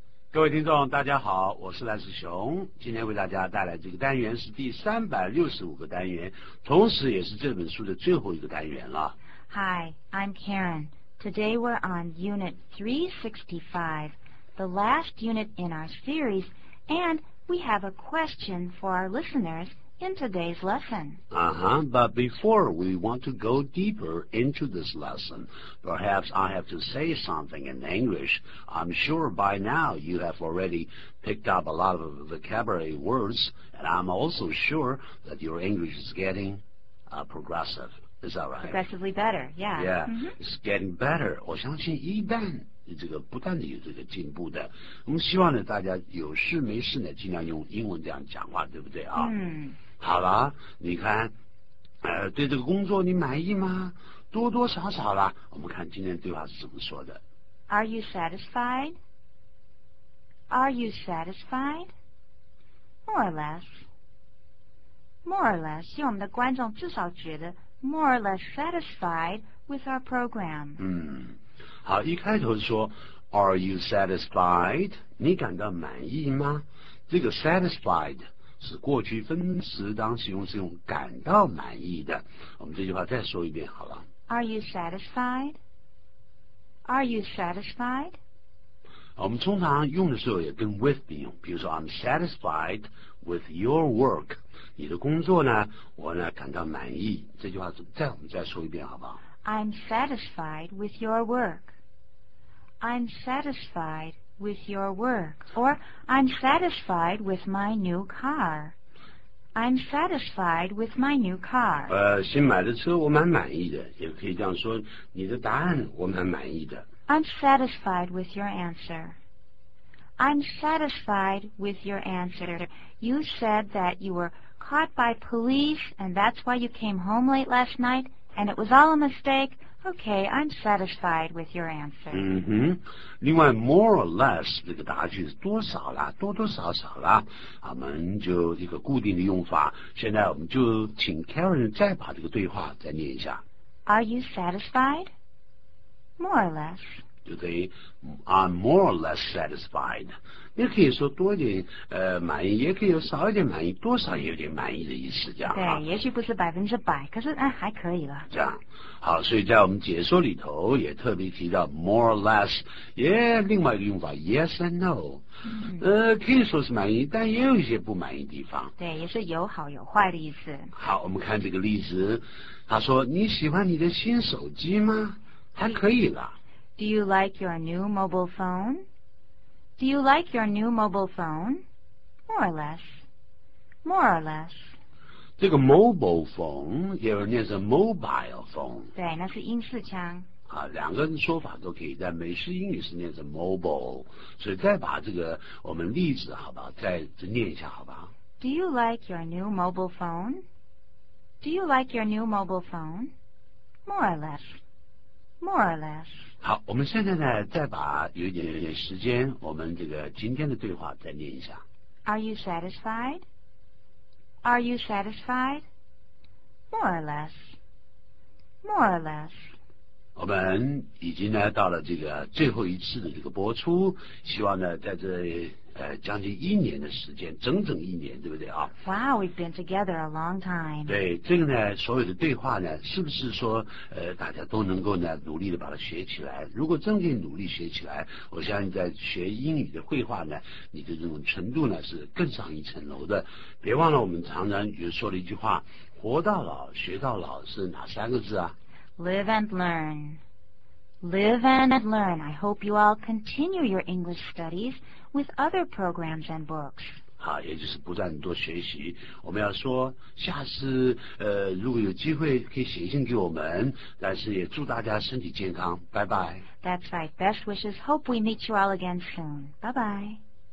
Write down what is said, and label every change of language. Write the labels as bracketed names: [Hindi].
[Chinese] 各位听众大家好，我是赖世雄，今天为大家带来这个单元是第365个单元，同时也是这本书的最后一个单元了。 [English] Hi, I'm Karen. Today we're on Unit 365, the last unit in our series, and we have a question for our listeners in today's lesson. But before we want to go deeper into this lesson, perhaps I have to say something in English. I'm sure by now you have already picked up a lot of vocabulary words, and I'm also sure that your English is getting progressive. Is that right? Progressively better, yeah. Yeah,、mm-hmm. it's getting better. [Chinese] 我相信一般这个不断的有这个进步的，我们希望呢大家有事没事呢尽量用英文这样讲话，对不对啊？嗯，好了，你看，对这个工作你满意吗？多多少少了，我们看今天对话是怎么说的。 [English] Are you satisfied? Are you satisfied? More or less. More or less， [Chinese] 希望我们的观众至少觉得 [English] more or less satisfied with our program。嗯。 [Chinese] 好，一开头说 [English] Are you satisfied? [Chinese] 你感到满意吗？这个 satisfied 是过去分词，当形容词用感到满意的。我们这句话再说一遍好了。 [English] Are you satisfied? Are you satisfied? [Chinese] 我们通常用的时候也跟 with 并用，比如说 [English] I'm satisfied with your work， [Chinese] 你的工作呢我呢感到满意。这句话再我们再说一遍好不好？ [English] I'm satisfied with your work. I'm satisfied with your work. Or I'm satisfied with my new car. I'm satisfied with my new car. [Chinese] 新买的车我蛮满意的，也可以这样说，你的答案我蛮满意的。 [English] I'm satisfied with your answer. I'm satisfied with your answer. You said that you were caught by police and that's why you came home late last night. And it was all a mistake. Okay, I'm satisfied with your answer. [Chinese] 嗯哼，另外 [English] more or less [Chinese] 这个答句是多少啦，多多少少啦，我们就一个固定的用法。现在我们就请 Karen 再把这个对话再念一下。 [English] Are you satisfied? More or less. [Chinese] 就等于 [English] I'm more or less satisfied. [Chinese] 也可以说多一点满意，也可以少一点满意，多少也有点满意的意思，这样。对，也许不是百分之百，可是还可以了。这样，好，所以在我们解说里头也特别提到 [English] more or less， [Chinese] 也另外一个用法 [English] yes and no， [Chinese] 可以说是满意，但也有一些不满意的地方。对，也是有好有坏的意思。好，我们看这个例子，他说你喜欢你的新手机吗？还可以了。 [English] Do you like your new mobile phone? Do you like your new mobile phone? More or less. More or less. [Chinese] 这个 mobile phone 也有念成 mobile phone. 对，那是英式腔。啊，两个人说法都可以，但美式英语是念成 mobile， 所以再把这个我们例子好不好？再念一下好不好？ [English] Do you like your new mobile phone? Do you like your new mobile phone? More or less. More or less. [Chinese] 好，我们现在呢，再把有点时间，我们这个今天的对话再念一下。 [English] Are you satisfied? Are you satisfied? More or less. More or less. [Chinese] 我们已经呢到了这个最后一次的这个播出，希望呢在这将近一年的时间，整整一年，对不对啊 [English] ？Wow, we've been together a long time. [Chinese] 对，这个呢，所有的对话呢，是不是说大家都能够呢努力的把它学起来？如果真的努力学起来，我相信在学英语的绘画呢，你的这种程度呢是更上一层楼的。别忘了，我们常常就说了一句话：活到老，学到老，是哪三个字啊 [English] ？Live and learn. Live and learn. I hope you all continue your English studies with other programs and books. [Chinese] 好，也就是不断多学习。我们要说，下次如果有机会可以写信给我们，但是也祝大家身体健康。拜拜。 [English] That's right. Best wishes. Hope we meet you all again soon. Bye bye.